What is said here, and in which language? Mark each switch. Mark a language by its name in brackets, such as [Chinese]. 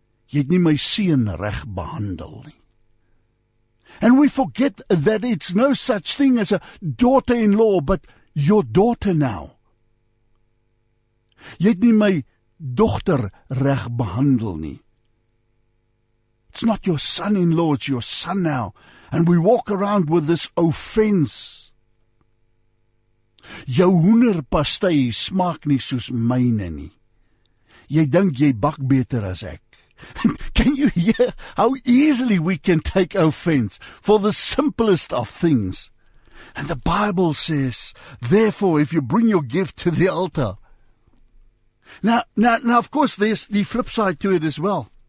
[Afrikaans] Jy nie my seun reg behandel nie. [English] And we forget that it's no such thing as a daughter-in-law, but your daughter now. [Afrikaans] Jy nie my dogter reg behandel nie. [English] It's not your son-in-law, it's your son now. And we walk around with this offense. [Afrikaans] Jou hoenderpastei smaak nie soos myne nie. Jy dink jy bak beter as ek. [English] Can you hear how easily we can take offense for the simplest of things? And the Bible says, therefore, if you bring your gift to the altar. Now, of course, there's the flip side to it as well.